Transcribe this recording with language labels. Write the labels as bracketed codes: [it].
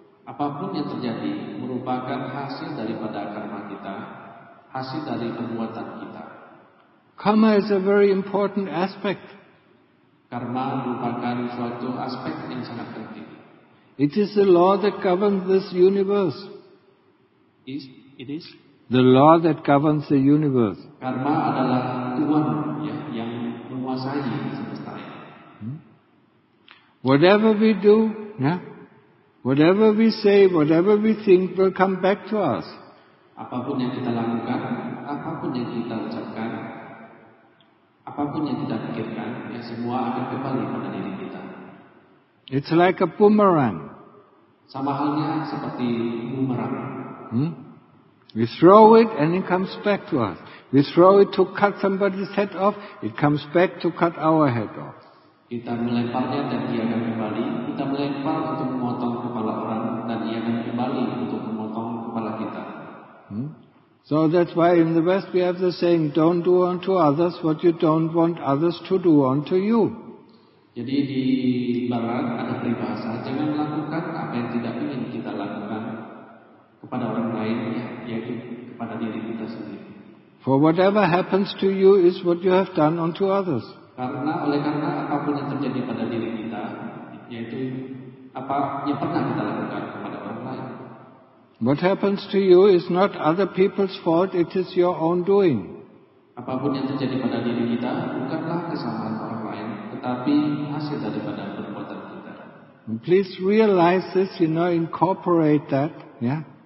[id] Apapun yang terjadi merupakan hasil daripada karma kita, hasil dari perbuatan kita. [en] Karma is a very important aspect. [id] Karma merupakan suatu aspek yang sangat penting. [en] It is the law that governs this universe. It is the law that governs the universe. [id] Karma adalah tuan ya, yang menguasai semesta. [en] Whatever we do, yeah, whatever we say, whatever we think will come back to us. [id] Apapun yang kita lakukan, apapun yang kita ucapkan, apapun yang kita pikirkan, ya semua akan kembali pada diri kita. [en] It's like a boomerang. [id] Sama halnya seperti boomerang. [en] We throw it and it comes back to us. We throw it to cut somebody's head off, it comes back to cut our head off. [id] Kita melemparnya dan dia akan kembali. Kita melempar untuk memotong kepala orang dan dia akan kembali untuk memotong kepala kita. [en] So that's why in the West we have the saying, don't do unto others what you don't want others to do unto you. [id] Jadi di Barat ada peribahasa, jangan melakukan apa yang tidak ingin kita lakukan kepada orang lain, yaitu kepada diri kita sendiri. [en] For whatever happens to you is what you have done unto others. [id] Karena apapun yang terjadi pada diri kita, yaitu apa yang pernah kita lakukan kepada orang lain. [en] What happens to you is not other people's fault, it is your own doing. [id] Apapun yang terjadi pada diri kita bukanlah kesalahan orang lain, tetapi hasil daripada perbuatan kita. [en] And please realize this, you know, incorporate that, yeah?